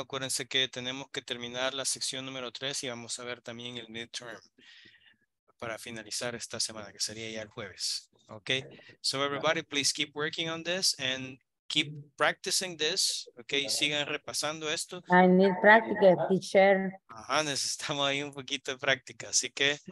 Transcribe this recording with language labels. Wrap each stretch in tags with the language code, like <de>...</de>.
<es>Acuérdense que tenemos que terminar la sección número 3 y vamos a ver también el midterm para finalizar esta semana, que sería ya el jueves.</es> <en>Okay, so everybody, please keep working on this and keep practicing this, okay?</en> <es>Sigan repasando esto.</es> <en>I need practice, teacher.</en> <es>Ajá, necesitamos ahí un poquito de práctica, así que.</es>